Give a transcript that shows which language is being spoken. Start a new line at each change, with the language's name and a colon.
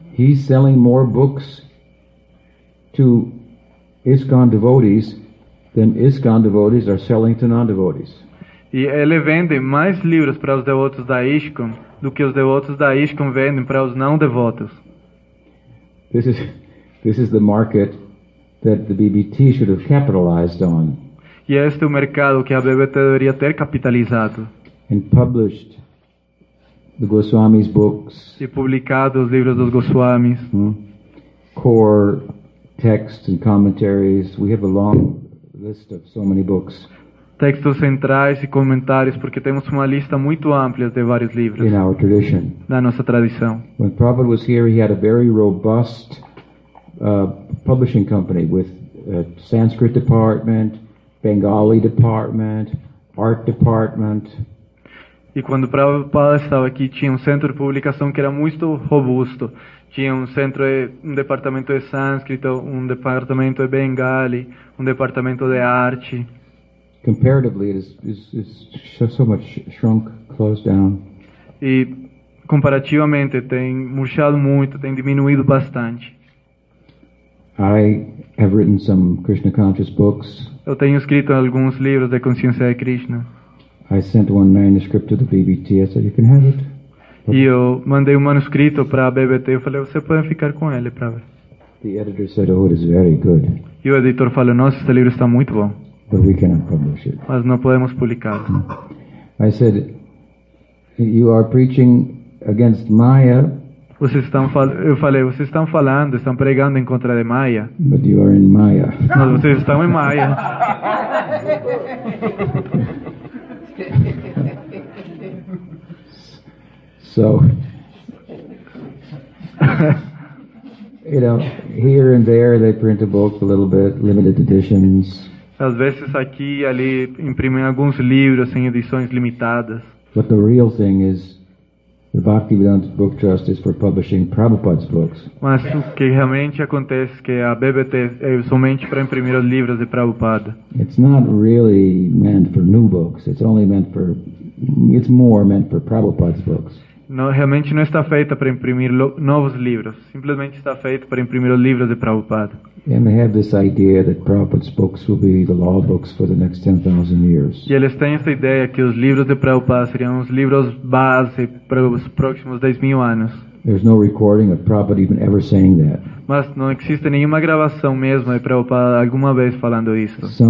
English: He's selling more books to ISKCON devotees than ISKCON devotees are selling to non-devotees.
Portuguese: E ele vende mais livros para os devotos da ISKCON do que os devotos da ISKCON vendem para os não devotos.
English: This is the market that the BBT should have capitalized on.
Portuguese: E este é o mercado que a BBT deveria ter capitalizado.
English: And published the Goswami's books.
Portuguese: E publicado os livros dos Goswamis.
English: Core texts and commentaries. We have a long list of so many books.
Portuguese: textos centrais e comentários, porque temos uma lista muito ampla de vários livros
English: in our tradition.
Portuguese: Da nossa tradição.
English: When Prabhupada was here, he had a very robust publishing company with a Sanskrit department, Bengali department, art department.
Portuguese: E quando Prabhupada estava aqui, tinha centro de publicação que era muito robusto. Tinha centro de departamento de sânscrito, departamento de bengali, departamento de arte.
English: Comparatively, it is so much shrunk, closed down.
Portuguese: E comparativamente, tem murchado muito, tem diminuído bastante.
English: I have written some Krishna conscious books.
Portuguese: Eu tenho escrito alguns livros de consciência de Krishna.
English: I sent one manuscript to the BBT. I said, you can have it.
Portuguese: E eu mandei um manuscrito para a BBT. Eu falei, você pode ficar com ele para ver.
English: The editor said, oh, it is very good.
Portuguese: E o editor falou, nossa, este livro está muito bom.
English: But we cannot publish it.
Portuguese: Mas não podemos publicar.
English: I said, you are preaching against Maya.
Portuguese: Estão pregando em contra de Maya.
English: But you are in Maya.
Portuguese: Mas vocês estão em Maya.
English: So, you know, here and there they print a book a little bit, limited editions.
Portuguese: Às vezes aqui e ali imprimem alguns livros em edições limitadas.
English: But the real thing is, the Bhaktivedanta Book Trust is for publishing Prabhupada's books.
Portuguese: Mas o que realmente acontece é que a BBT é somente para imprimir os livros de Prabhupada.
English: It's not really meant for new books. It's more meant for Prabhupada's books.
Portuguese: Não, realmente não está feita para imprimir novos livros. Simplesmente está feita para imprimir os livros de Prabhupada.
English: And they have this idea that Prabhupada's books will be the law books for the next 10,000 years.
Portuguese: E eles têm essa ideia que os livros de Prabhupada seriam os livros base para os próximos 10,000 anos.
English: There's no recording of Prabhupada even ever saying that.
Portuguese: Mas não existe nenhuma gravação mesmo de Prabhupada alguma vez falando isso.